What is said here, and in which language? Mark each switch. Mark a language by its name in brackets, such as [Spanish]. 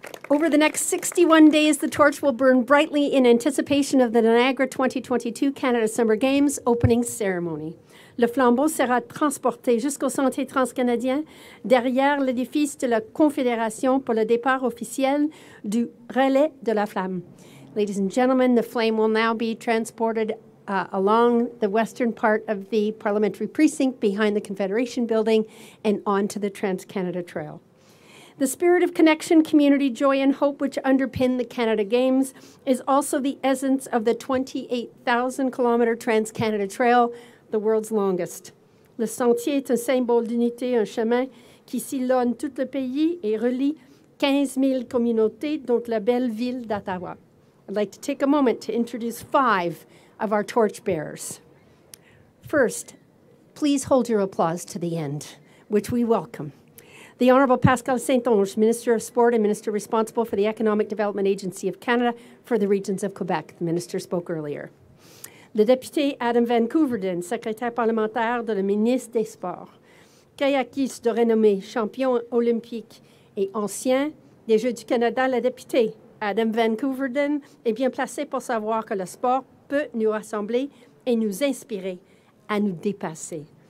[English] Over the next 61 days, the torch will burn brightly in anticipation of the Niagara 2022 Canada Summer Games opening ceremony. [French] Le flambeau sera transporté jusqu'au Centre transcanadien, derrière l'édifice de la Confédération pour le départ officiel du Relais de la Flamme. [English] Ladies and gentlemen, the flame will now be transported along the western part of the parliamentary precinct behind the Confederation Building and onto the Trans-Canada Trail. The spirit of connection, community, joy, and hope which underpin the Canada Games is also the essence of the 28,000-kilometer Trans-Canada Trail, the world's longest. [French] Le sentier est un symbole d'unité, un chemin qui sillonne tout le pays et relie 15,000 communautés, dont la belle ville d'Ottawa. [English] I'd like to take a moment to introduce five of our torchbearers. First, please hold your applause to the end, which we welcome. The Honorable Pascal Saint-Onge, Minister of Sport and Minister responsible for the Economic Development Agency of Canada for the regions of Quebec. The Minister spoke earlier. [French] Le député Adam Van Couverden, secrétaire parlementaire de la ministre des Sports, kayakiste de renommée, champion olympique et ancien des Jeux du Canada, le député Adam Van Couverden est bien placé pour savoir que le sport peut nous rassembler et nous inspirer à nous dépasser.